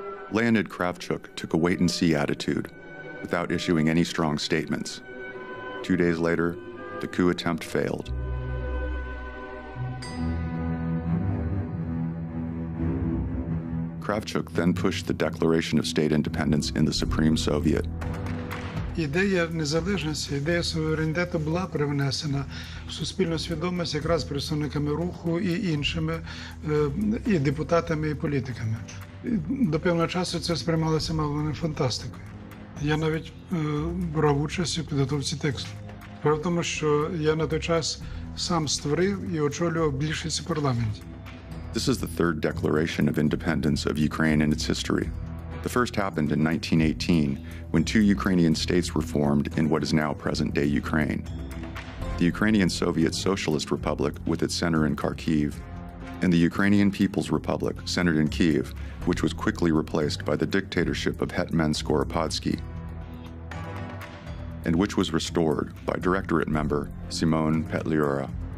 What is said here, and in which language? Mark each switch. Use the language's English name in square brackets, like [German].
[English] Leonid Kravchuk took a wait-and-see attitude without issuing any strong statements. 2 days later, the coup attempt failed. Kravchuk then pushed the Declaration of State Independence in the Supreme Soviet. [Ukrainian] Ідея незалежності, ідея суверенітету була привнесена в суспільну свідомість якраз представниками руху і іншими, і депутатами, і політиками. До певного часу це сприймалося мало не фантастикою. Я навіть брав участь у підготовці тексту. Справа в тому, що я на той час сам створив і очолював більшість у парламенті. [English] This is the third declaration of independence of Ukraine in its history. The first happened in 1918, when two Ukrainian states were formed in what is now present-day Ukraine. The Ukrainian Soviet Socialist Republic, with its center in Kharkiv, and the Ukrainian People's Republic, centered in Kyiv, which was quickly replaced by the dictatorship of Hetman Skoropadsky, and which was restored by Directorate member Simon Petliura.